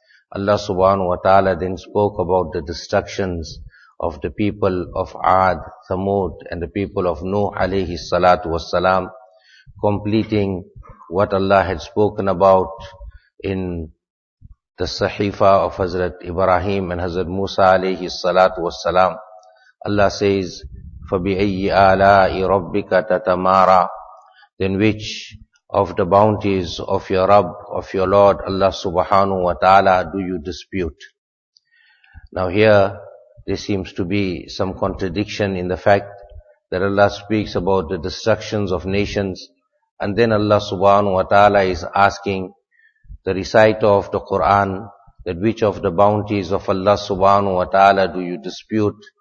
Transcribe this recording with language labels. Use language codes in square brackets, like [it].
[en] Allah subhanahu wa ta'ala then spoke about the destructions of the people of Aad, Thamud, and the people of Nuh alayhi salatu wassalam, completing what Allah had spoken about in the Sahifa of Hazrat Ibrahim and Hazrat Musa alayhi salatu wassalam. Allah says, [ar] فَبِأَيِّ آلَاءِ رَبِّكَ تَتَمَارَى. [en] Then which of the bounties of your Rabb, of your Lord, Allah subhanahu wa ta'ala, do you dispute? Now here, there seems to be some contradiction in the fact that Allah speaks about the destructions of nations, and then Allah subhanahu wa ta'ala is asking the reciter of the Qur'an that which of the bounties of Allah subhanahu wa ta'ala do you dispute?